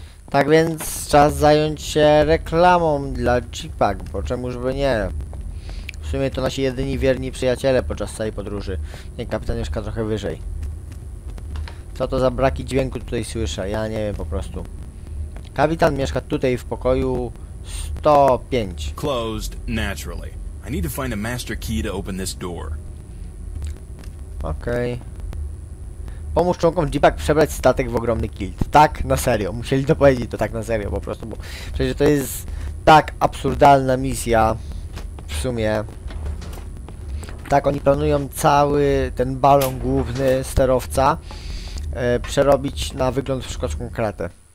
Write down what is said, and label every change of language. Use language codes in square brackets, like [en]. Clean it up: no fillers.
[pl] Tak więc czas zająć się reklamą dla G-Pack, bo czemużby nie? W sumie to nasi jedyni wierni przyjaciele podczas całej podróży. Nie, kapitan mieszka trochę wyżej. Co to za braki dźwięku tutaj słyszę? Ja nie wiem po prostu. Kapitan mieszka tutaj w pokoju 105. [en] Closed naturally. I need to find a master key to open this door. [pl] Okej. Pomóż członkom Jeepak przebrać statek w ogromny kilt. Tak, na serio. Musieli to powiedzieć, to tak na serio po prostu, bo przecież to jest tak absurdalna misja. W sumie. Tak, oni planują cały ten balon główny sterowca przerobić na wygląd w szkocką kratę.